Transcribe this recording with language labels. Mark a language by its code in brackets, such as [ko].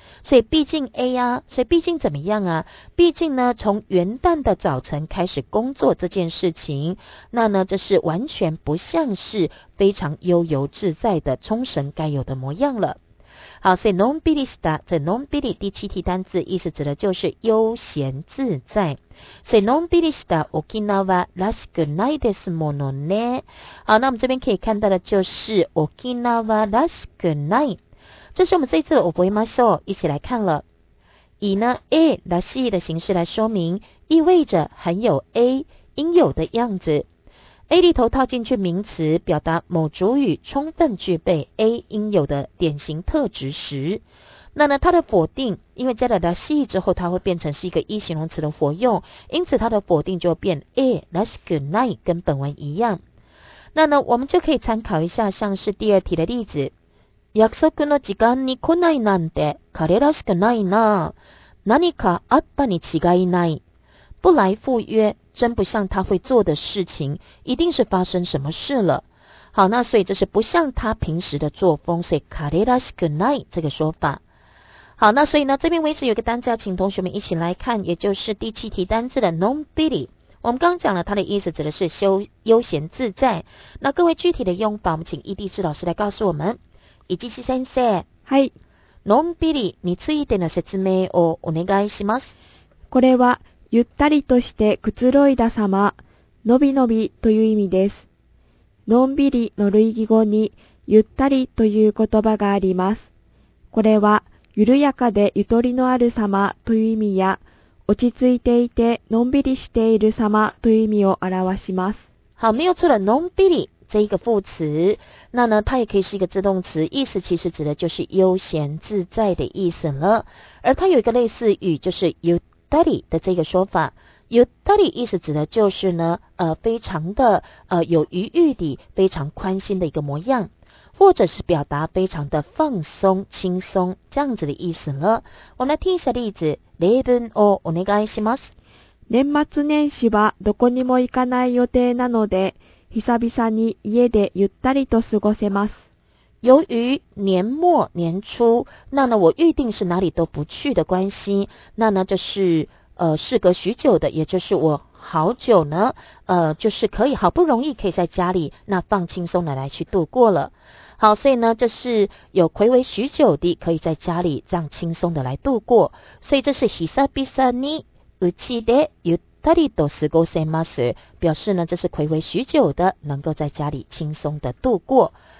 [zh] 所以毕竟 A 啊，所以毕竟怎么样啊，毕竟呢从元旦的早晨开始工作这件事情，那呢这是完全不像是非常悠游自在的冲绳该有的模样了。好，所以 [ja] nonbiri sta， 这 nonbiri 第七题单字意思指的就是悠闲自在，所以 nonbiri sta Okinawa rasuku nai desu mono ne。 [zh] 好，那我们这边可以看到的就是 [ja] Okinawa rasuku nai， [zh] 这是我们这一次的 [ja] 覚えましょう， [zh] 一起来看了。以呢 A らしい的形式来说明，意味着很有 A 应有的样子。 A 里头套进去名词，表达某主语充分具备 A 应有的典型特质时，那呢它的否定，因为加了らしい之后，它会变成是一个一形容词的活用，因此它的否定就变 A らしくない，跟本文一样。那呢我们就可以参考一下像是第二题的例子， [ja] 約束の時間に来ないなんて彼らしくないな。何かあったに違いない。 [zh] 不来赴约，真不像他会做的事情，一定是发生什么事了。好，那所以这是不像他平时的作风，所以 [ja] 彼らしくない [zh] 这个说法。好，那所以呢，这边为止有一个单字要请同学们一起来看，也就是第七题单字的 nonbiri。我们刚刚讲了它的意思指的是休悠闲自在。那各位具体的用法，我们请ED智老师来告诉我们。 [ja] 伊地知先生、はい、のんびりについての説明をお願いします。これはゆったりとしてくつろいだ様、のびのびという意味です。のんびりの類義語にゆったりという言葉があります。これは緩やかでゆとりのある様という意味や、落ち着いていてのんびりしている様という意味を表します。 [zh] 好、没有错了、のんびり这一个副词，那呢它也可以是一个自动词，意思其实指的就是悠闲自在的意思了。而它有一个类似语，就是ゆったり的这个说法。ゆったり意思指的就是呢非常的有余裕地，非常宽心的一个模样，或者是表达非常的放松轻松这样子的意思了。我们来听一下例子。 [ja] 例文をお願いします。年末年始はどこにも行かない予定なので、久々に家でゆったりと過ごせます。 [zh] 由于年末年初，那呢我预定是哪里都不去的关系，那呢就是事隔许久的，也就是我好久呢就是可以好不容易可以在家里那放轻松的来去度过了。好，所以呢这是有睽违许久的可以在家里这样轻松的来度过，所以这是 [ja] 久々にうちでゆったりたりと過ごせます， [zh] 表示呢这是睽违许久的能够在家里轻松的度过。